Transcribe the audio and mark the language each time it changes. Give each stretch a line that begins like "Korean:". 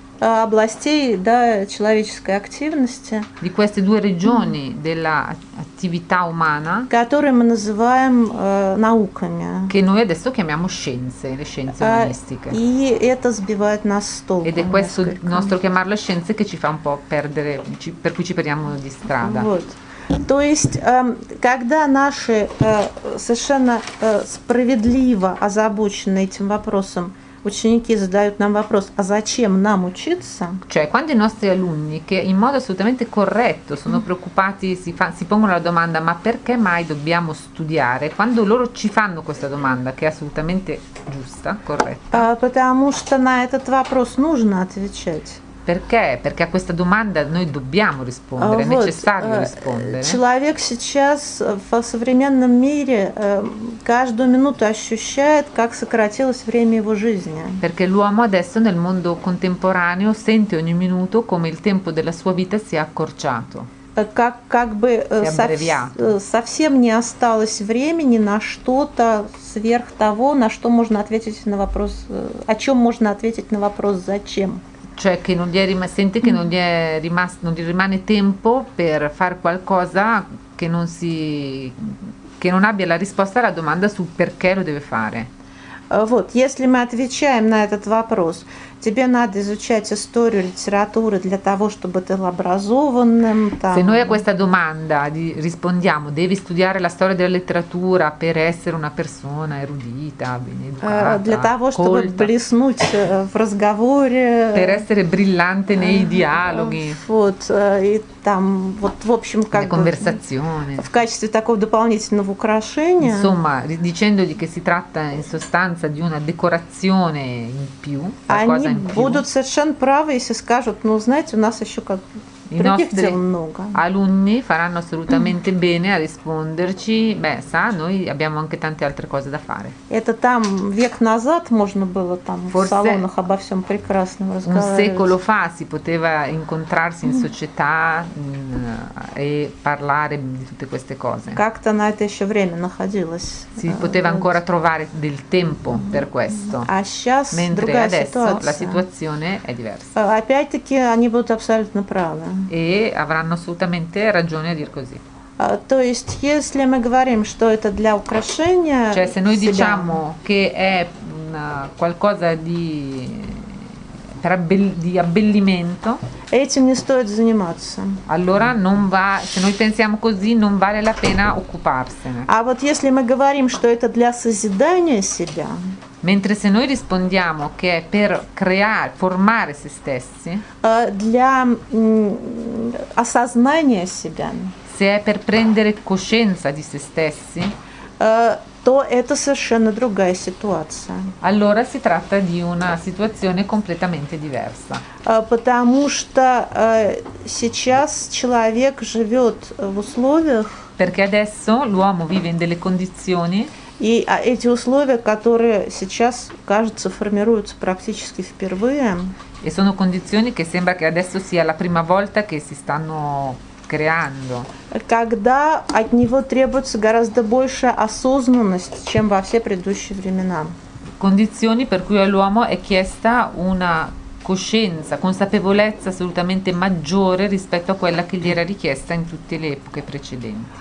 Russian: областей, да, человеческой активности.
Italian: Di queste due regioni della attività umana,
Russian: которые мы называем науками.
Italian: Che noi adesso chiamiamo scienze, le scienze umanistiche.
Russian: И это сбивает нас с толку.
Italian: Ed è questo nostro chiamarlo scienze che ci fa un po' perdere, per cui ci perdiamo di strada.
Russian: Вот. То есть, когда наши совершенно справедливо озабочены этим вопросом, ученики задают нам вопрос, а зачем нам учиться?
Italian: Cioè, quando i nostri alunni, che in modo assolutamente corretto sono preoccupati, si pongono la domanda, ma perché mai dobbiamo studiare? Quando loro ci fanno questa domanda, che è assolutamente giusta, corretta.
Russian: Потому что на этот вопрос нужно отвечать.
Italian: Perché? Perché a questa domanda noi dobbiamo rispondere, è necessario rispondere.
Russian: Человек сейчас в современном мире каждую минуту ощущает, как сократилось время его жизни.
Italian: Perché l'uomo adesso nel mondo contemporaneo sente ogni minuto come il tempo della sua vita si è accorciato.
Russian: Совсем не осталось времени на что-то сверх того, на что можно ответить на вопрос, о чем можно ответить на вопрос зачем.
Italian: Cioè che non gli è rimasto, sente che non gli è rimasto, non gli rimane tempo per far qualcosa che non abbia la risposta alla domanda sul perché lo deve fare.
Russian: Вот, если мы отвечаем на этот вопрос, тебе надо изучать историю литературы для того, чтобы ты был образованным. Там.
Italian: Se noi a questa domanda rispondiamo, devi studiare la storia della letteratura per essere una persona erudita, ben educata,
Russian: для того, чтобы блеснуть в разговоре.
Italian: Per essere brillante nei dialoghi.
Russian: Вот, и там, вот, в общем, как
Italian: conversazione.
Russian: В качестве такого дополнительного украшения.
Italian: Insomma, dicendogli che si tratta in sostanza di una decorazione in più.
Russian: Они будут совершенно правы, если скажут, ну, знаете, у нас еще как других дел много.
Italian: Alunni faranno assolutamente bene a risponderci, beh, sa, noi abbiamo anche tante altre cose da fare.
Russian: Это там век назад можно было там в салонах обо всем прекрасном разговаривать.
Italian: Un secolo fa si poteva incontrarsi in società e parlare di tutte queste cose.
Russian: Как-то на это еще время находилось.
Italian: Si poteva ancora trovare del tempo per questo.
Russian: А сейчас
Italian: Mentre
Russian: другая
Italian: adesso,
Russian: ситуация.
Italian: La situazione è diversa.
Russian: Опять-таки они будут абсолютно правы.
Italian: E avranno assolutamente ragione a dir così.
Russian: То есть, если мы говорим, что это для украшения,
Italian: cioè, se noi diciamo che è qualcosa di per di abbellimento,
Russian: этим не стоит заниматься.
Italian: Allora non va, se noi pensiamo così, non vale la pena occuparsene.
Russian: А вот если мы говорим, что это для созидания себя,
Italian: mentre se noi rispondiamo che è per creare, formare se stessi,
Russian: для осознания себя,
Italian: se è per prendere coscienza di se stessi,
Russian: то это совершенно другая ситуация.
Italian: Allora si tratta di una situazione completamente diversa.
Russian: Потому что сейчас человек живет в условиях,
Italian: perché adesso l'uomo vive in delle condizioni.
Russian: И эти условия, которые сейчас, кажется, формируются практически впервые.
Italian: E sono condizioni che sembra che adesso sia la prima volta che si stanno creando.
Russian: Когда от него требуется гораздо больше осознанности, чем во все предыдущие времена.
Italian: Condizioni per cui all'uomo è chiesta una coscienza, consapevolezza assolutamente maggiore rispetto a quella che gli era richiesta in tutte le epoche precedenti.